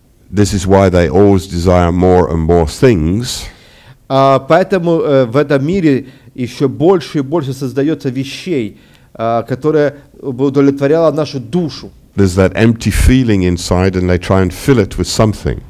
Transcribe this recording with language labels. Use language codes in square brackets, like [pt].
[en] This is why they always desire more and more things. [ru] Поэтому в этом мире еще больше и больше создается вещей, которые бы удовлетворяли нашу душу. [en] There's that empty feeling inside, and they try and fill it with something.